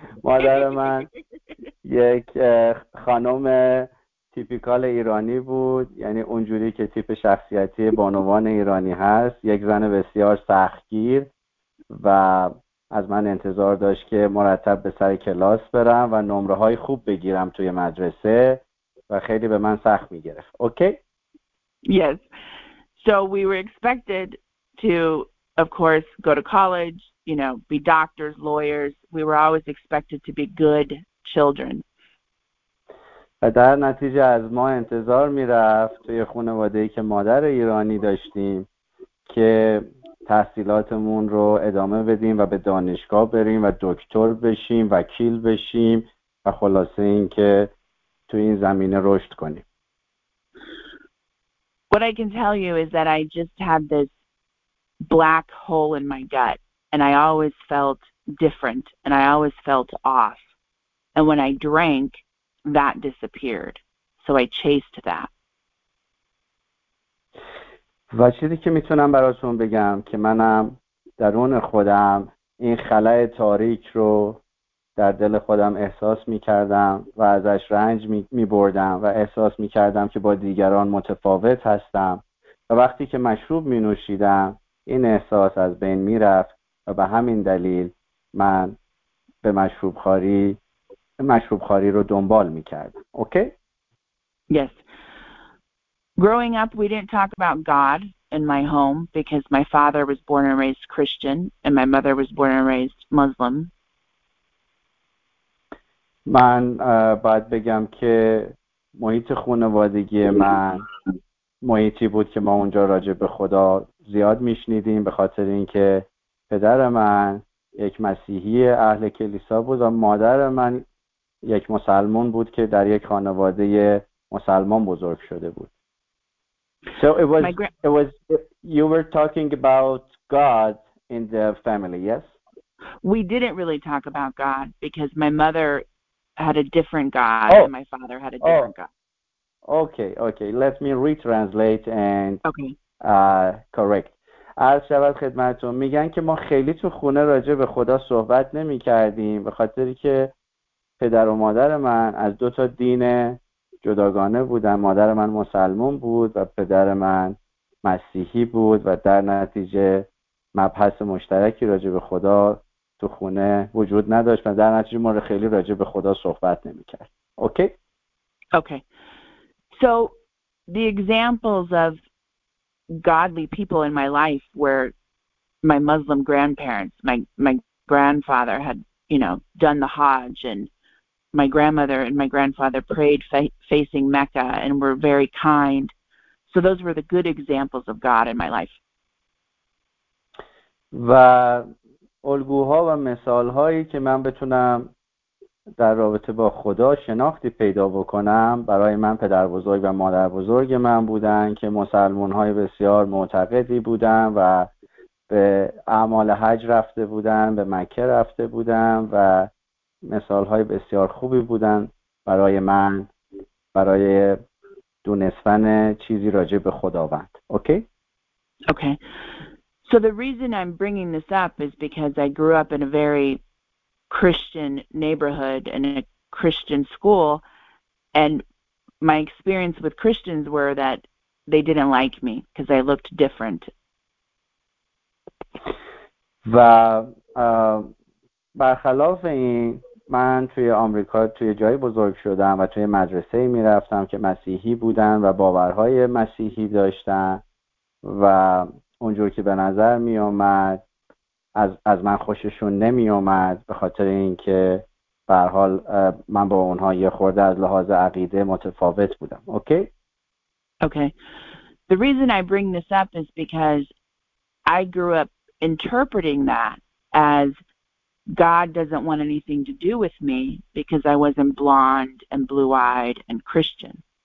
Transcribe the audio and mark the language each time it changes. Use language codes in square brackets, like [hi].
[fa] مادر من یک خانم تیپیکال ایرانی بود، یعنی اونجوری که تیپ شخصیتی بانوان ایرانی هست، یک زن بسیار سختگیر و از من انتظار داشت که مرتب به سر کلاس برم و نمره های خوب بگیرم توی مدرسه و خیلی به من سخت میگرفت. [en] Okay? Yes. So we were expected to, of course, go to college, you know, be doctors, lawyers. We were always expected to be good children. [fa] و در نتیجه از ما انتظار میرفت توی خانواده‌ای که مادر ایرانی داشتیم که تحصیلاتمون رو ادامه بدیم و به دانشگاه بریم و دکتر بشیم، وکیل بشیم و خلاصه این که توی این زمینه رشد کنیم. [en] What I can tell you is that I just had this black hole in my gut and I always felt different and I always felt off and when I drank that disappeared so I chased that. [fa] و چیزی که میتونم براتون بگم که منم درون خودم این خلأ تاریک رو در دل خودم احساس میکردم و ازش رنج میبردم و احساس میکردم که با دیگران متفاوت هستم و وقتی که مشروب مینوشیدم این احساس از بین می رفت و به همین دلیل من به مشروب خاری رو دنبال می کردم. [en] Okay? Yes. Growing up, we didn't talk about God in my home because my father was born and raised Christian and my mother was born and raised Muslim. [fa] من باید بگم که محیط خانوادگی من محیطی بود که ما اونجا راجع به خدا زیاد میشنیدیم به خاطر اینکه پدر من یک مسیحی اهل کلیسا بود و مادر من یک مسلمان بود که در یک خانواده مسلمان بزرگ شده بود. [en] So it was you were talking about God in the family, yes? We didn't really talk about God because my mother had a different God and my father had a different God. Okay. Let me retranslate and correct. [fa] عرض شود خدمتون، میگن که ما خیلی تو خونه راجع به خدا صحبت نمی کردیم به خاطری که پدر و مادر من از دو تا دین جداگانه بودن. مادر من مسلمان بود و پدر من مسیحی بود و در نتیجه مبحث مشترکی راجع به خدا تو خونه وجود نداشت و در نتیجه ما خیلی راجع به خدا صحبت نمی کرد. [en] Okay. So the examples of godly people in my life were my Muslim grandparents. My grandfather had, you know, done the Hajj, and my grandmother and my grandfather prayed facing Mecca and were very kind. So those were the good examples of God in my life. [fa] و الگوها و مثالهایی که من بتونم در رابطه با خدا شناختی پیدا بکنم برای من پدر بزرگ و مادر بزرگ من بودن که مسلمان های بسیار معتقدی بودن و به اعمال حج رفته بودن، به مکه رفته بودن و مثال های بسیار خوبی بودن برای من برای دونستن چیزی راجع به خداوند. [en] Okay. So the reason I'm bringing this up is because I grew up in a very Christian neighborhood and a Christian school, and my experience with Christians were that they didn't like me because I looked different. [fa] و برخلاف این من توی آمریکا توی جایی بزرگ شدم و توی مدرسه می رفتم که مسیحی بودن و باورهای مسیحی داشتن و اونجور که به نظر می آمد از من خوششون نمی آمد به خاطر اینکه به هر حال من با اونها یه خورده از لحاظ عقیده متفاوت بودم. [en] Okay? Okay. The reason I bring this up is because I grew up interpreting that as God doesn't want anything to do with me because I wasn't blonde and blue-eyed and Christian.